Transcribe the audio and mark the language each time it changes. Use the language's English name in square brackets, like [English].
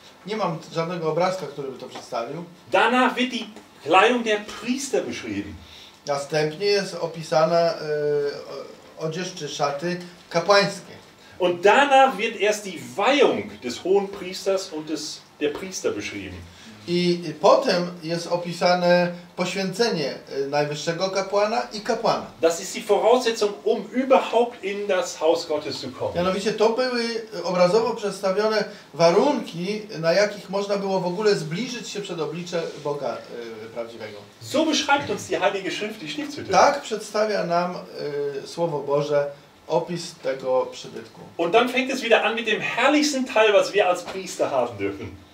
[Polish] Nie mam żadnego obrazka, który by to przedstawił. [German] Danach wird die Kleidung der Priester beschrieben. [Polish] Następnie jest opisana odzież czy szaty kapłańskie. [German] Und danach wird erst die Weihung des Hohenpriesters und des der Priester beschrieben. [Polish] I potem jest opisane poświęcenie najwyższego kapłana i kapłana. [German] Das ist die Voraussetzung, um überhaupt in das Haus Gottes zu kommen. [Polish] Mianowicie to były obrazowo przedstawione warunki, na jakich można było w ogóle zbliżyć się przed oblicze Boga prawdziwego. [German] So beschreibt uns die Heilige Schrift die Stiftshütte. [Polish] Tak przedstawia nam Słowo Boże opis tego przybytku. [German] Und dann fängt es wieder an mit dem herrlichsten Teil, was wir als Priester haben dürfen.